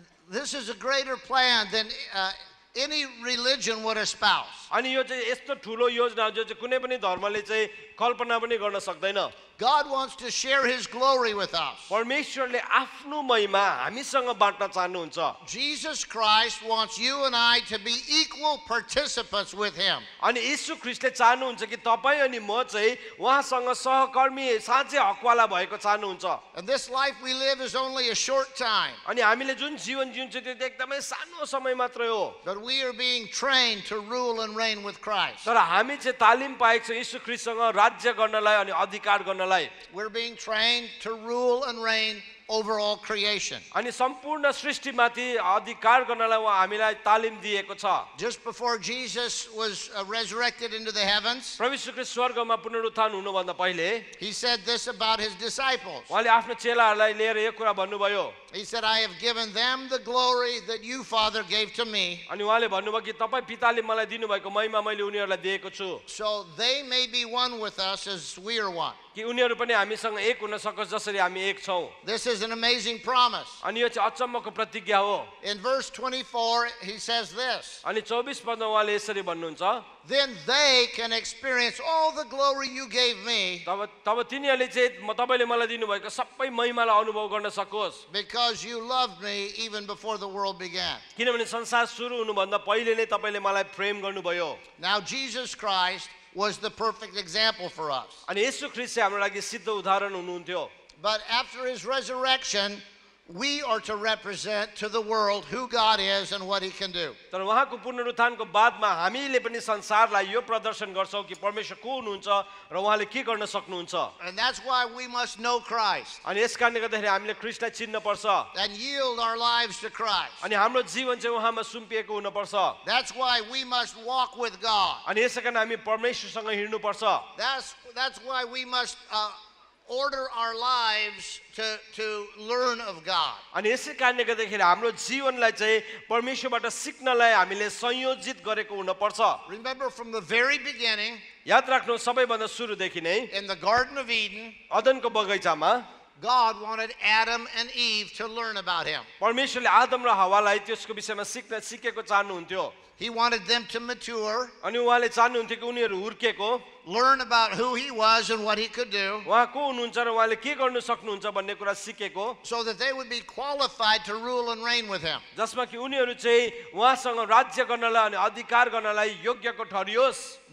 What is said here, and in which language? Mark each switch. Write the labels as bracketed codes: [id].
[en] This is a greater plan than any religion would espouse. [ne] अनि यो चाहिँ यस्तो ठूलो योजना जो चाहिँ कुनै पनि धर्मले चाहिँ कल्पना पनि गर्न सक्दैन. [en] God wants to share his glory with us. [ne] परमेश्वरले आफ्नो महिमा हामीसँग बाँड्न चाहनुहुन्छ. [en] Jesus Christ wants you and I to be equal participants with him. [ne] अनि येशू ख्रीष्टले चाहनुहुन्छ कि तपाई अनि म चाहिँ उहाँसँग सहकर्मी साँच्चै हकवाला भएको चाहनुहुन्छ. [en] And this life we live is only a short time. [ne] अनि हामीले जुन जीवन जिउँछ त्यो एकदमै सानो समय मात्र हो. [en] But we are being trained to rule and reign with Christ. [ne] तर हामी चाहिँ तालिम पाएको छौ येशू ख्रीष्टसँग राज्य गर्नलाई अनि अधिकार [en] We're being trained to rule and reign over all creation. [ne] अनि सम्पूर्ण सृष्टिमाथि अधिकार गर्नलाई हामीलाई तालिम दिएको छ. [en] Just before Jesus was resurrected into the heavens, [ne] प्रभु येशू ख्रीष्ट स्वर्गमा पुनरुत्थान हुनुभन्दा पहिले, [en] he said this about his disciples. [ne] उहाँले आफ्नो चेलाहरूलाई लिएर यो कुरा भन्नुभयो. [en] He said, I have given them the glory that you, Father, gave to me. [ne] अनि उहाँले भन्नुभयो कि तपाईं पिताले मलाई दिनुभएको महिमा मैले उनीहरूलाई दिएको छु. [en] So they may be one with us as we are one. [ne] कि उनीहरू पनि हामीसँग एक हुन सकोस् जसरी हामी एक छौं. [en] This is an amazing promise. [ne] अनि यो चाहिँ अचम्मको प्रतिज्ञा हो. [en] In verse 24, he says this. [ne] अनि 24 पदमा उहाँले यसरी भन्नुहुन्छ. [en] Then they can experience all the glory you gave me. [ne] तब तिनीहरूले चाहिँ तपाईले मलाई दिनुभएको सबै महिमालाई अनुभव गर्न सकोस्. [en] Because you loved me even before the world began. [ne] किनभने संसार सुरु हुनुभन्दा पहिले नै तपाईले मलाई प्रेम गर्नुभयो. [en] Now Jesus Christ was the perfect example for us. [ne] अनि येशू ख्रीष्ट हाम्रो लागि सिद्ध उदाहरण हुनुहुन्थ्यो. [en] But after his resurrection, we are to represent to the world who God is and what he can do. [ne] तर वहाको पुनरुत्थानको बादमा हामीले पनि संसारलाई यो प्रदर्शन गर्छौं कि परमेश्वर को हुनुहुन्छ र उहाँले के गर्न सक्नुहुन्छ. [en] And that's why we must know Christ. [ne] अनि यसकारणले गर्दाखेरि हामीले ख्रीष्टलाई चिन्न पर्छ. [en] And yield our lives to Christ. [ne] अनि हाम्रो जीवन चाहिँ उहाँमा सुम्पिएको हुन पर्छ. [en] That's why we must walk with God. [ne] अनि यसकारण हामी परमेश्वरसँग हिड्नु पर्छ. [en] That's why we must order our lives to learn of God. [ne] अनि यसै कारणले गर्दाखेरि हाम्रो जीवनलाई चाहिँ परमेश्वरबाट सिक्नलाई हामीले संयोजित गरेको हुन पर्छ. [en] Remember from the very beginning. [ne] याद राख्नु सबैभन्दा सुरुदेखि नै. [en] In the Garden of Eden. [ne] अदनको बगैँचामा. [en] God wanted Adam and Eve to learn about him. [ne] परमेश्वरले आदम र हव्वालाई त्यसको विषयमा सिक्न सिकेको चाहनुहुन्थ्यो. [en] He wanted them to mature. [ne] अनि उहाँले चाहनुहुन्थ्यो कि उनीहरू हुर्केको. [en] Learn about who he was and what he could do. [ne] उहाँ को हुनुहुन्छ र उहाँले के गर्न सक्नुहुन्छ भन्ने कुरा सिकेको. [en] So that they would be qualified to rule and reign with him. [ne] जसमा कि उनीहरू चाहिँ उहाँसँग राज्य गर्नलाई अनि अधिकार गर्नलाई योग्यको ठहरियोस्.